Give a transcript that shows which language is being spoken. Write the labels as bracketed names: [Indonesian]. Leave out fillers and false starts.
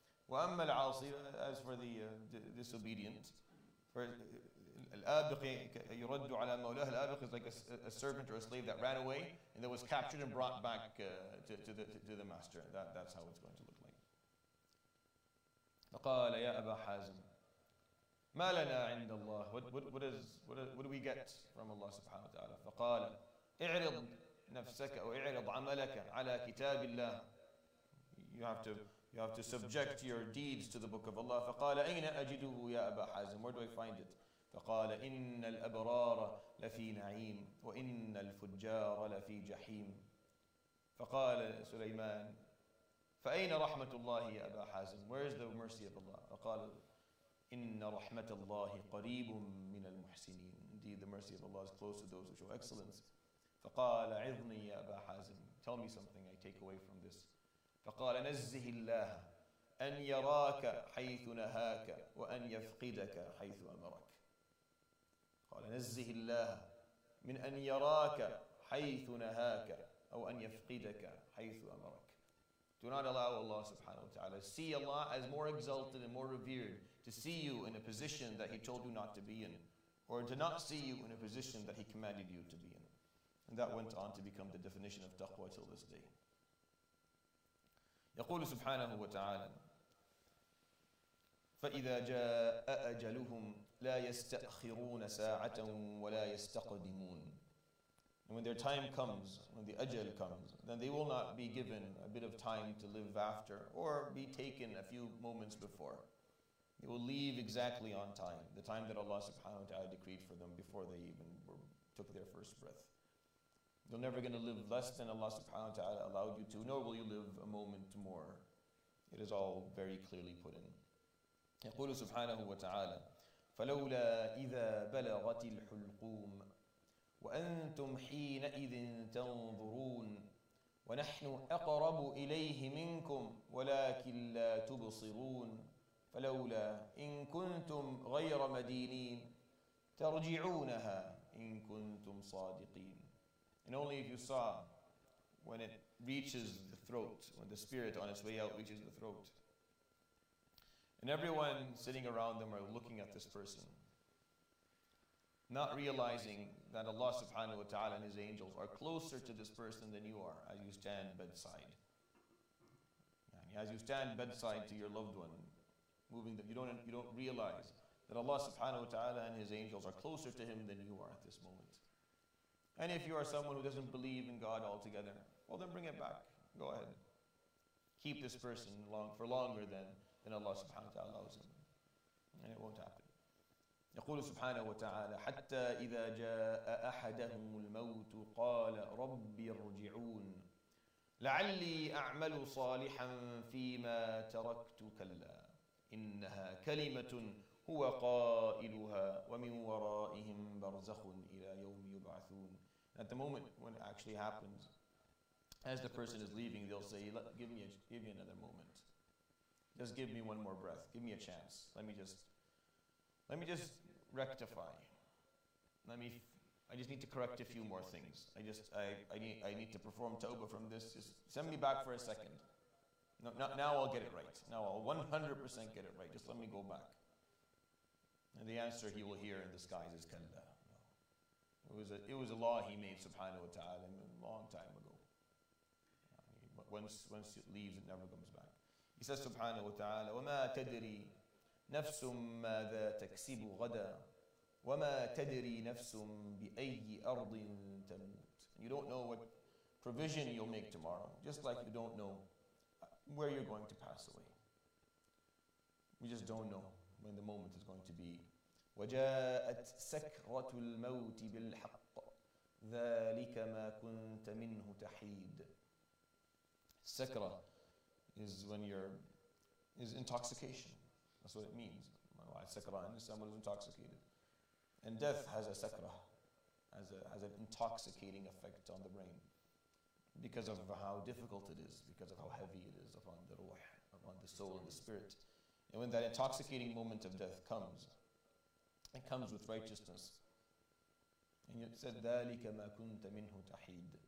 [Arabic] وأما العاصي, [English] as for the disobedient, for [Arabic] الآبق يرد على مولاه. [English] الآبق is like a servant or a slave that ran away and that was captured and brought back to the master. That's how it's going to look like. [Arabic] فقال يا أبا حازم ما لنا عند الله. [English] What do we get from Allah [Arabic] سبحانه وتعالى. فقال اعرض نفسك أو اعرض عملك على كتاب الله. [English] You have to subject your deeds to the book of Allah. [Arabic] فقال أين أجده يا أبا حازم. [English] Where do I find it. [Arabic] فقال إن الأبرار لفي نعيم وإن الفجار لفي جحيم. فقال سليمان فأين رحمة الله يا أبا حازم. [English] Where is the mercy of Allah. [Arabic] فقال إن رحمة الله قريب من المحسنين. [English] Indeed, the mercy of Allah is close to those who show excellence. [Arabic] فقال عظني يا أبا حازم. [English] Tell me something I take away from this. [Arabic] فقال نزه الله أن يراك حيث نهاك وأن يفقدك حيث أمرك. قال نزه الله من أن يراك حيث نهاك أو أن يفقدك حيث أمرك. [English] Do not allow Allah subhanahu wa ta'ala to see Allah as more exalted and more revered, to see you in a position that He told you not to be in, or to not see you in a position that He commanded you to be in. And that went on to become the definition of taqwa till this day. [Arabic] يقول سبحانه وتعالى فإذا جاء أجلهم لا يستأخرون ساعة ولا يستقدمون. [English] And when their time comes, when the ajal comes, then they will not be given a bit of time to live after or be taken a few moments before. They will leave exactly on time, the time that Allah subhanahu wa ta'ala decreed for them before they even took their first breath. You're never going to live less than Allah subhanahu wa ta'ala allowed you to, nor will you live a moment more. It is all very clearly put in. [Arabic] يقول سبحانه وتعالى فلولا إذا بلغت الحلقوم وأنتم حينئذ تنظرون ونحن أقرب إليه منكم ولكن لا تبصرون فلولا إن كنتم غير مدينين ترجعونها إن كنتم صادقين. [English] And only if you saw when it reaches the throat, when the spirit on its way out reaches the throat, and everyone sitting around them are looking at this person, not realizing that Allah subhanahu wa ta'ala and His angels are closer to this person than you are as you stand bedside. as you stand bedside to your loved one, moving them, you don't realize that Allah subhanahu wa ta'ala and his angels are closer to him than you are at this moment. And if you are someone who doesn't believe in God altogether, well, then bring it back. Go ahead. Keep this person long for longer than Allah subhanahu wa ta'ala allows him. And it won't happen. [Arabic] يقول سبحانه وتعالى حتى إذا جاء أحدهم الموت قال ربي ارجعون لعلي أعمل صالحا فيما تركت كلا إنها كلمة هو قائلها ومن ورائهم برزخ إلى يوم يبعثون. [English] At the moment when it actually happens, as the person is leaving, they'll say, give me another moment. Just give me one more breath. Give me a chance. Let me just rectify. I just need to correct a few more things. I need to perform tawbah from this. Just send me back for a second. Now I'll get it right. Now I'll 100% get it right. Just let me go back. And the answer he will hear in the skies is kalla. It was a law he made, subhanahu wa ta'ala, a long time ago. Once it leaves, it never comes back. He says, subhanahu wa ta'ala, [Arabic] وَمَا تَدْرِي نَفْسٌ مَاذَا تَكْسِبُ غَدًا وَمَا تَدْرِي نَفْسٌ بِأَيِّ أَرْضٍ تَمُوتٍ. [English] You don't know what provision you'll make tomorrow, just like you don't know where you're going to pass away. We just don't know when the moment is going to be. [Arabic] وَجَاءَتْ سَكْرَةُ الْمَوْتِ بِالْحَقِّ ذَلِكَ مَا كُنْتَ مِنْهُ تَحِيدٌ. [English] Sakra is when is intoxication. That's what it means. Sakra is someone who's intoxicated. And death has a sakra, has an intoxicating effect on the brain because of how difficult it is, because of how heavy it is upon the ruh, upon the soul and the spirit. And when that intoxicating moment of death comes, it comes with righteousness. And it said, [Arabic] ذَلِكَ مَا كُنْتَ مِنْهُ تَحِيدٌ.